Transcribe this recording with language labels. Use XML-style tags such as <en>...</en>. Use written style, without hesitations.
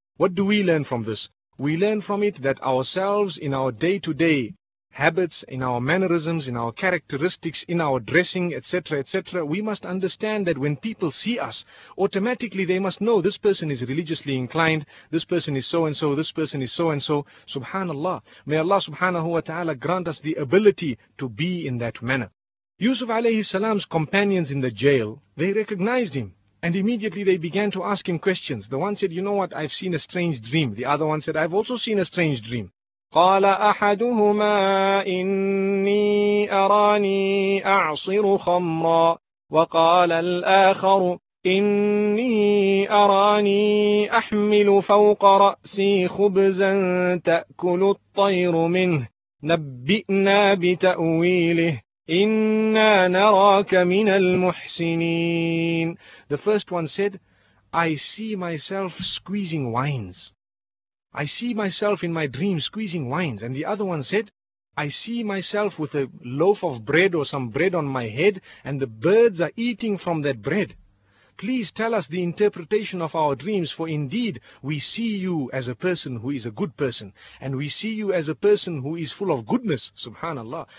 <en>What do we learn from this? We learn from it that ourselves in our day-to-day habits, in our mannerisms, in our characteristics, in our dressing, etc., etc., we must understand that when people see us, automatically they must know this person is religiously inclined, this person is so and so, this person is so and so. Subhanallah. May Allah subhanahu wa ta'ala grant us the ability to be in that manner. Yusuf alayhi salam's companions in the jail, they recognized him. And immediately they began to ask him questions. The one said, you know what, I've seen a strange dream. The other one said, I've also seen a strange dream.</en> <ar>قال أحدهما إني أراني أعصر خمرا، وقال الآخر إني أراني أحمل فوق رأسي خبزا تأكل الطير منه، نبئنا بتأويله، إنا نراك من المحسنين.</ar> <en>The first one said, I see myself squeezing wines. I see myself in my dream squeezing wines. And the other one said, I see myself with a loaf of bread or some bread on my head, and the birds are eating from that bread. Please tell us the interpretation of our dreams, for indeed we see you as a person who is a good person, and we see you as a person who is full of goodness. Subhanallah.</en>